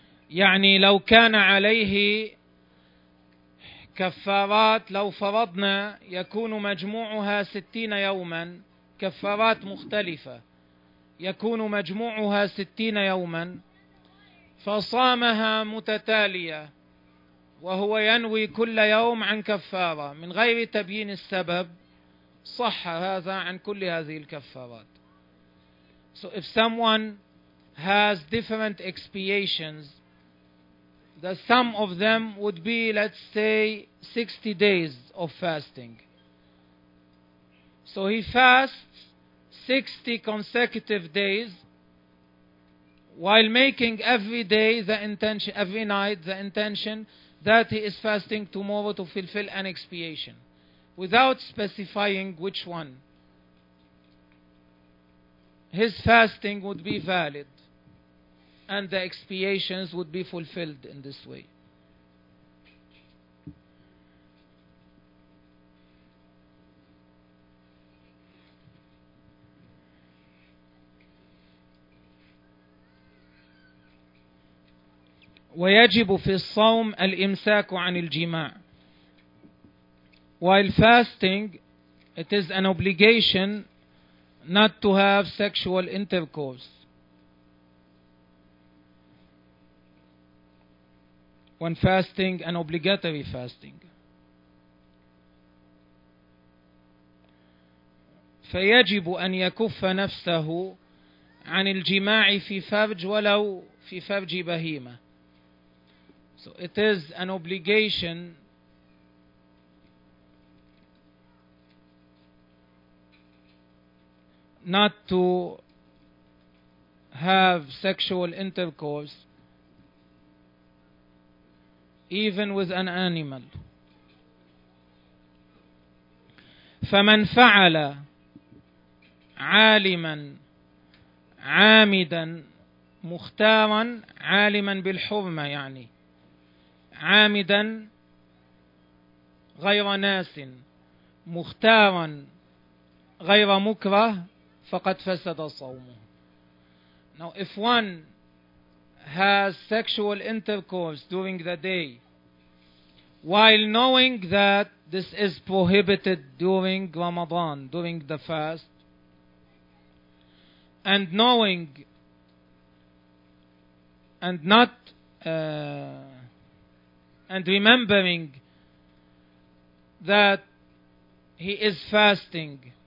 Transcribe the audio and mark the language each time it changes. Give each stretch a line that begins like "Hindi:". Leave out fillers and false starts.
Arabic: يعني لو كان عليه كفارات لو فرضنا يكون مجموعها 60 يوما كفارات مختلفة يكون مجموعها 60 يوما فصامها متتالية وهو ينوي كل يوم عن كفارة من غير تبيين السبب صح هذا عن كل هذه الكفارات.
English: So if someone has different expiations, the sum of them would be, let's say, 60 days of fasting. So he fasts 60 consecutive days while making every day the intention, every night the intention that he is fasting tomorrow to fulfill an expiation, without specifying which one. His fasting would be valid, and the expiations would be fulfilled in this way.
Arabic: ويجب في الصوم الإمساك عن الجماع.
English: While fasting, it is an obligation not to have sexual intercourse. When fasting, an obligatory fasting.
Arabic: فيجب أن يكف نفسه عن الجماع في فرج ولو في فرج بهيمة.
English: So it is an obligation not to have sexual intercourse even with an animal.
Arabic: فمن فعل عالما عامدا مختارا عالما بالحرمة يعني عامدا غير ناس مختارا غير مكره فقد فسد صومه.
English: Now if one has sexual intercourse during the day while knowing that this is prohibited during Ramadan, during the fast, and knowing and not and remembering that he is fasting.